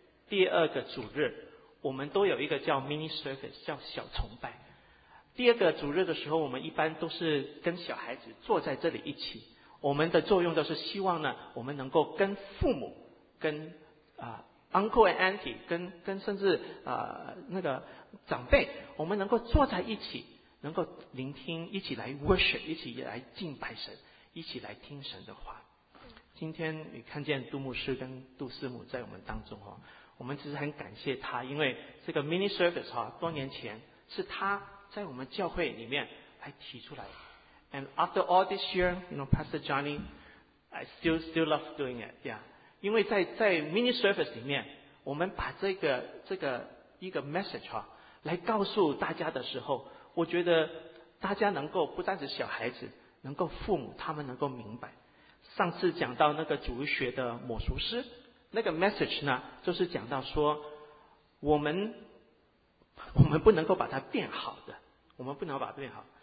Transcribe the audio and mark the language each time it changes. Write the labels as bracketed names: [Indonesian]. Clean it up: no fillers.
[Chinese] 第二个主日我们都有一个叫 mini service 叫小崇拜，第二个主日的时候我们一般都是跟小孩子坐在这里一起，我们的作用就是希望呢我们能够跟父母跟 [English] uncle and auntie [Chinese] 跟甚至那个长辈，我们能够坐在一起能够聆听，一起来 worship， 一起来敬拜神，一起来听神的话。今天你看见杜牧师跟杜师母在我们当中，我们只是很感谢他，因为这个 mini service 多年前是他在我们教会里面来提出来的。 [English] And after all this year, you know, Pastor Johnny, I still love doing it. Yeah. [Chinese] 因为在 mini service 里面，我们把这个一个 message 来告诉大家的时候，我觉得大家能够不单是小孩子，能够父母他们能够明白。上次讲到那个主日学的抹赎诗，那个 message 呢，就是讲到说我们不能够把它变好的，我们不能够把它变好。